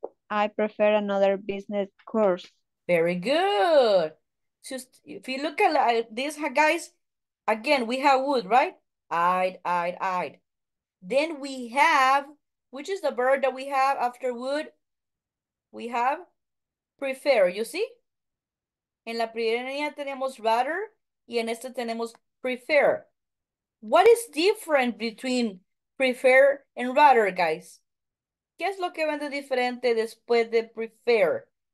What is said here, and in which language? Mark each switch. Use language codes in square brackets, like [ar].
[en] I prefer another business course. Very good. Just if you look at this, guys, again, we have would, right? I'd. Then we have, which is the verb that we have after would? We have prefer, you see? [es] En la primera línea tenemos rather, y en esta tenemos prefer. [en] What is different between prefer and rather, guys? [es] ¿Qué es lo que vende diferente después de prefer?